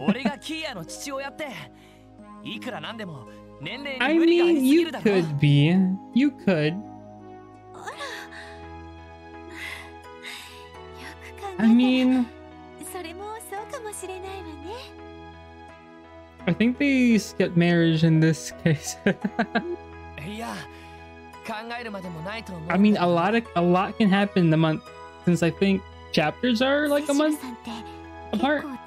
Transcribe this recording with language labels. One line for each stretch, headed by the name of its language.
Japanese: 俺がキーヤの父親っていくらなんでも年齢に無理がありすぎるだろ。
English: I mean, you could be. You could. I mean,
Japanese: それもそうかもしれないわね。
English: I think they skipped marriage in this case.
Japanese: いや、考えるまでもないと思う。
English: I mean, a lot can happen in the month since I think chapters are like a month apart.